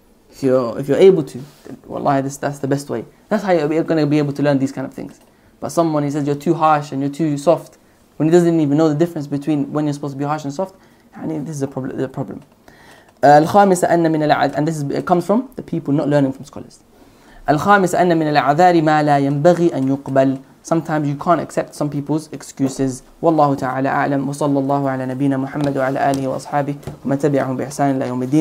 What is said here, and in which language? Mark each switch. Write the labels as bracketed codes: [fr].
[en] If you're able to, wallahi, that's the best way. That's how you're going to be able to learn these kind of things. But someone, he says, you're too harsh and you're too soft, when he doesn't even know the difference between when you're supposed to be harsh and soft, this is a problem. [ar] الخامسة أن من العد, [en] and this is, it comes from the people not learning from scholars. [ar] الخامس أن من العذار ما لا ينبغي أن يقبل. [en] Sometimes you can't accept some people's excuses. [ar] والله تعالى أعلم. وصلى الله على نبينا محمد وعلى آله وأصحابه ومن تبعهم بإحسان إلى يوم الدين.